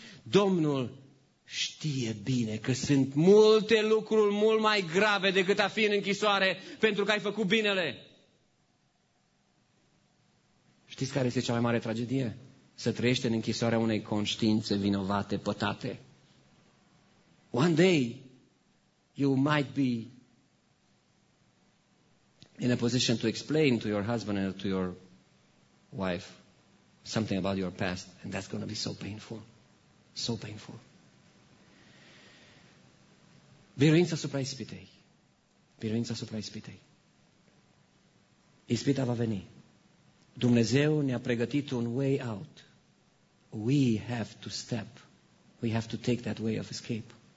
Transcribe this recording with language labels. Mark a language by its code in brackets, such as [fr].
[ro] Domnul știe bine că sunt multe lucruri mult mai grave decât a fi în închisoare pentru că ai făcut binele. Știți care este cea mai mare tragedie? Să trăiești în închisoarea unei conștiințe vinovate, pătate. [en] One day, you might be in a position to explain to your husband and to your wife something about your past, and that's going to be so painful. So painful. [ro] Biruința asupra ispitei. Biruința asupra ispitei. Ispita va veni. Dumnezeu ne-a pregătit un [en] way out. We have to step. We have to take that way of escape.